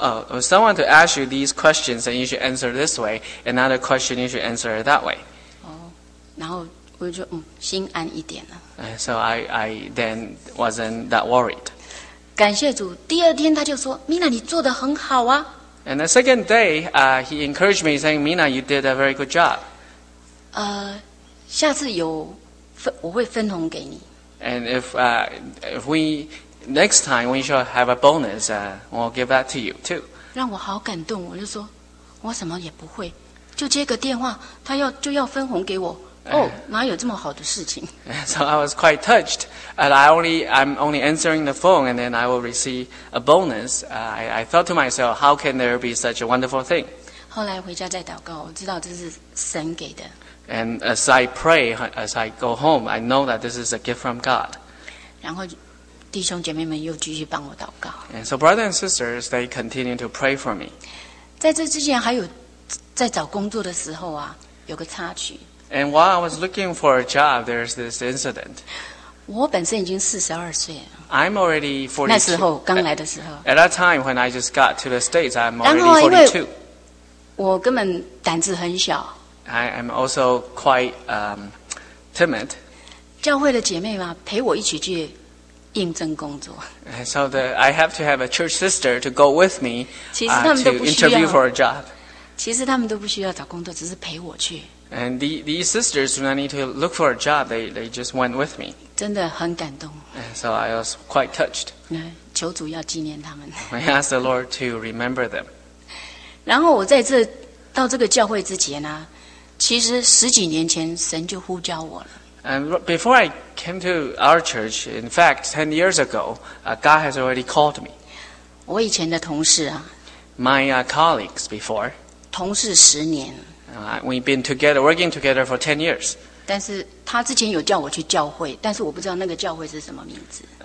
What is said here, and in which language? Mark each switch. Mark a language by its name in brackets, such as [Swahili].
[English] If someone to ask you these questions, then you should answer this way. Another question, you should answer that way. [Chinese] 然后我就心安一点了。 [English] So I then wasn't that worried. [Chinese] 感谢主，第二天他就说 ，Mina， 你做得很好啊。 [English] And the second day, he encouraged me, saying, "Mina, you did a very good job." [Chinese] 下次有分我会分红给你。 [English] And if we next time we shall have a bonus, we'll give that to you too. [Chinese] 让我好感动，我就说，我什么也不会，就接个电话，他要就要分红给我。哪有这么好的事情 [English] ？So I was quite touched, and I'm only answering the phone, and then I will receive a bonus. I thought to myself, how can there be such a wonderful thing? [Chinese] 后来回家再祷告，我知道这是神给的。 [English] And as I pray, as I go home, I know that this is a gift from God. [Chinese] 然后。弟兄姐妹们又继续帮我祷告。 [English] And so brothers and sisters, they continue to pray for me. [Chinese] 在这之前还有在找工作的时候啊，有个插曲。 [English] And while I was looking for a job, there's this incident. [Chinese] 我本身已经42岁了。 [English] I'm already 42. [Chinese] 那时候刚来的时候。 [English] At that time when I just got to the States, I'm already 42. [Chinese] 然后因为我根本胆子很小。 [English] I am also quite timid. [Chinese] 教会的姐妹嘛，陪我一起去。应征工作。 [English] So I have to have a church sister to go with me、to interview for a job. [Chinese] 其实他们都不需要找工作，只是陪我去。 [English] And these sisters do not need to look for a job. They just went with me. [Chinese] 真的很感动。 [English] And so I was quite touched. [Chinese] 求主要纪念他们。 [English] I asked the Lord to remember them. [Chinese] 然后我在这到这个教会之前呢、其实十几年前神就呼召我了。 [English] And before I came to our church, in fact, 10 years ago, God has already called me. [Chinese] 我以前的同事啊。 [English] My colleagues before. [Chinese] 同事十年。 [English] We've been together, working together for 10 years. [Chinese] 但是他之前有叫我去教会，但是我不知道那个教会是什么名字。